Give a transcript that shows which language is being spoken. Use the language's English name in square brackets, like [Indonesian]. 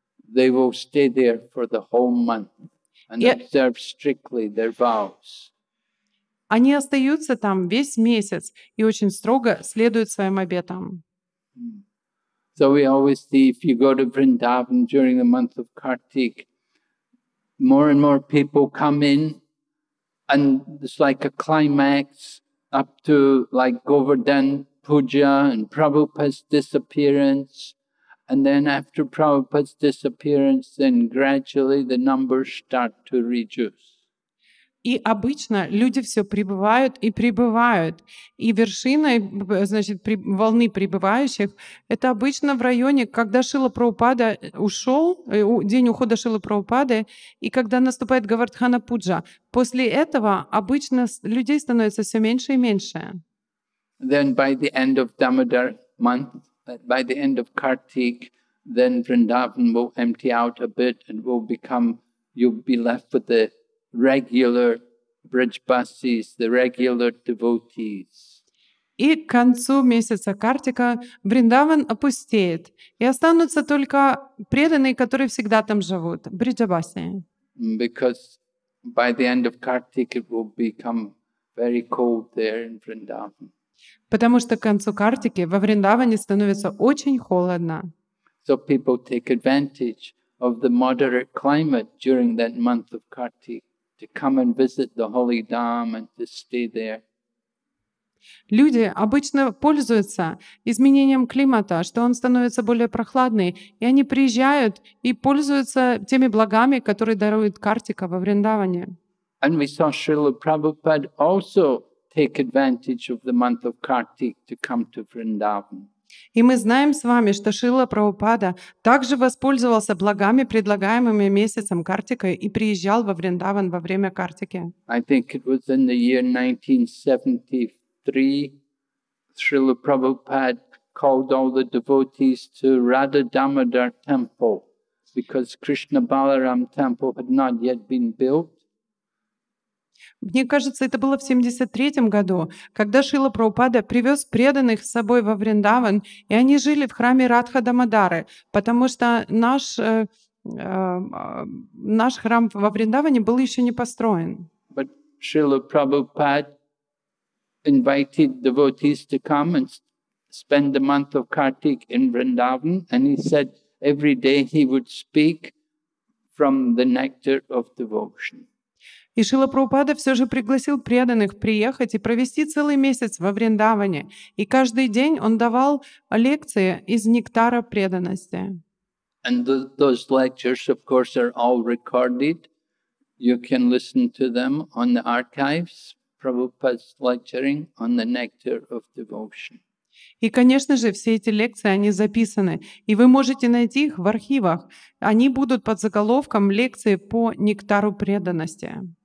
[English] They will stay there for the whole month. And observe strictly their vows. [Russian] Они остаются там весь месяц и очень строго следуют своим обетам. [English] So we always see, if you go to Vrindavan during the month of Kartik, more and more people come in, and it's like a climax up to like Govardhan Puja and Prabhupada's disappearance. And then after Prabhupada's disappearance, then gradually the numbers start to reduce. [Russian] И обычно люди все прибывают и прибывают. И вершина, значит, волны прибывающих, это обычно в районе, когда Шрила Прабхупада ушел, день ухода Шрилы Прабхупады, и когда наступает Говардхана Пуджа. После этого обычно людей становится все меньше и меньше. [English] Then by the end of Damodar month, by the end of Kartik, then Vrindavan will empty out a bit and will become, you'll be left with the regular bridge buses, the regular devotees. [Russian] И к концу месяца Картика Вриндаван опустеет, и останутся только преданные, которые всегда там живут, бриджабаси. [English] Because by the end of Kartik, it will become very cold there in Vrindavan. [Russian] Потому что к концу Картики во Вриндаване становится очень холодно. [English] So people take advantage of the moderate climate during that month of Kartik to come and visit the holy dham and to stay there. [Russian] Люди обычно пользуются изменением климата, что он становится более прохладный, и они приезжают и пользуются теми благами, которые дарует Картика во Вриндаване. [English] And we saw Srila Prabhupada also take advantage of the month of Kartik to come to Vrindavan. [Russian] И мы знаем с вами, что Шрила Прабхупада также воспользовался благами, предлагаемыми месяцем Картика, и приезжал во Вриндаван во время Картики. [English] I think it was in the year 1973, Шрила Прабхупада called all the devotees to Radha Damodar Temple, because Krishna Balaram Temple had not yet been built. [Russian] Мне кажется, это было в 73-м году, когда Шрила Прабхупада привез преданных с собой во Вриндаван, и они жили в храме Радха Дамодары, потому что наш храм во Вриндаване был еще не построен. [English] But Srila Prabhupada invited devotees to come and spend the month of Kartik in Vrindavan, and he said every day he would speak from the nectar of devotion. [Russian] И Шрила Прабхупада все же пригласил преданных приехать и провести целый месяц во Вриндаване. И каждый день он давал лекции из нектара преданности. [English] And those lectures, of course, are all recorded. You can listen to them on the archives. Prabhupada's lecturing on the nectar of devotion. [Russian] И, конечно же, все эти лекции, они записаны. И вы можете найти их в архивах. Они будут под заголовком лекции по нектару преданности.